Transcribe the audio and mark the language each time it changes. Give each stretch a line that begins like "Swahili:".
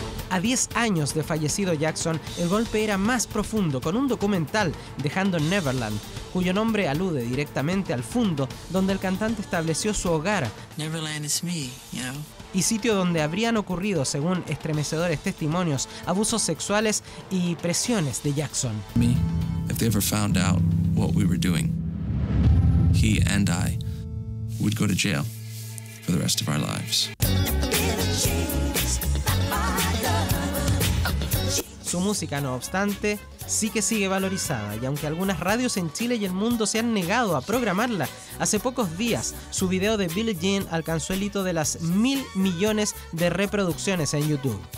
Spanish: A 10 años de fallecido Jackson, el golpe era más profundo con un documental, Dejando Neverland, cuyo nombre alude directamente al fundo donde el cantante estableció su hogar.
English: Neverland is me, you know.
Spanish: Y sitio donde habrían ocurrido, según estremecedores testimonios, abusos sexuales y presiones de Jackson.
English: Me, if they ever found out what we were doing, he and I would go to jail for the rest of our lives.
Spanish: Su música, no obstante, sí que sigue valorizada y aunque algunas radios en Chile y el mundo se han negado a programarla, hace pocos días su video de Billie Jean alcanzó el hito de las 1.000 millones de reproducciones en YouTube.